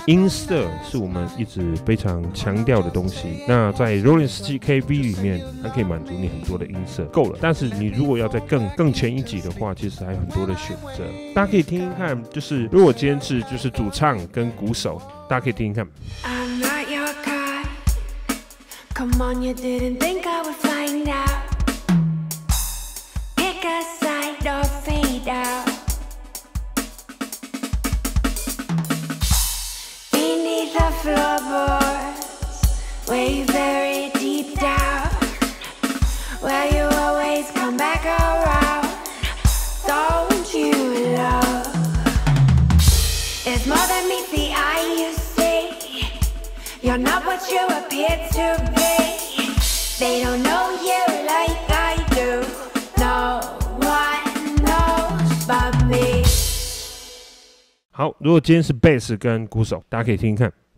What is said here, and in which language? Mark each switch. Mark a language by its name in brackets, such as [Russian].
[Chinese] 音色是我们一直非常强调的东西，那在 Rolling 17KV 里面它可以满足你很多的音色，够了。但是你如果要在更前一级的话，其实还有很多的选择，大家可以听听看。就是如果今天是就是主唱跟鼓手，大家可以听听看。 [English] I'm not your guy, come on, you didn't think I would find out. Pick a side or fade out. Beneath the floorboards, way very deep down, where you always come back around. Don't you love? There's more than meets the eye, you see. You're not what you appear to be. They don't know you like I do. No one knows but me. [Chinese] 好，如果今天是 bass 跟鼓手，大家可以听听看。